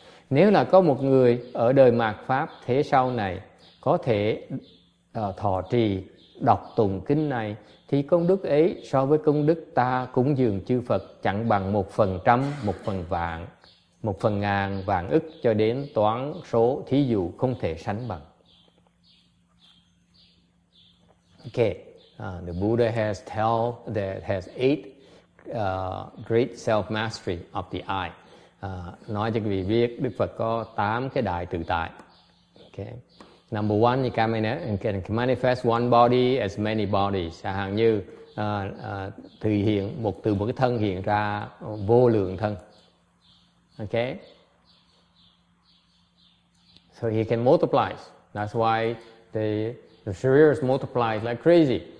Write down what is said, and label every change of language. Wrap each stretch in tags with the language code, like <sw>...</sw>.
<vi>Nếu là có một người ở đời mạt pháp thế sau này có thể thọ trì đọc tụng kinh này thì công đức ấy so với công đức ta cúng dường chư Phật chẳng bằng 1%, 1% vạn, 1,000,000 vạn ức cho đến toán số thí dụ không thể sánh bằng.</vi> <en>Ok. The Buddha has tell that has 8 great self-mastery of the eye.</en> <vi>Nói cho quý vị biết, Đức Phật có 8 cái đại tự tại.</vi> <en>Okay. Number 1, you can manifest one body as many bodies.</en> <vi>À, hàng như từ hiện một từ một cái thân hiện ra vô lượng thân. Okay.</vi> <en>So he can multiply. That's why the spheres multiply like crazy.</en>